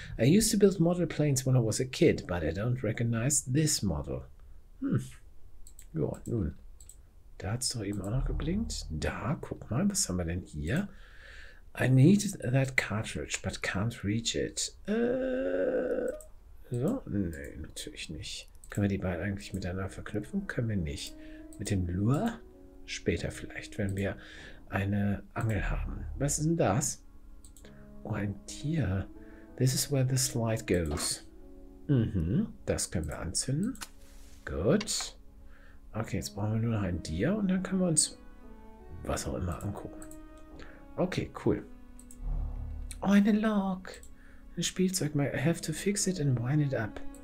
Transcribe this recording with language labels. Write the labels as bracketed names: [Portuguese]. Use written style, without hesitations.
[English] I used to build model planes when I was a kid, but I don't recognize this model. [German] Ja, nun. Da hat es doch eben auch noch geblinkt. Da, guck mal, was haben wir denn hier? [English] I need that cartridge, but can't reach it. [German] So, nee, natürlich nicht. Können wir die beiden eigentlich miteinander verknüpfen? Können wir nicht. Mit dem Lure? Später vielleicht, wenn wir eine Angel haben. Was ist denn das? Oh, ein Tier. [English] This is where the slide goes. [German] Das können wir anzünden. Gut. Okay, jetzt brauchen wir nur noch ein Tier und dann können wir uns was auch immer angucken. Okay, cool. Oh, eine Lok. Ein Spielzeug. [English] I have to fix it and wind it up.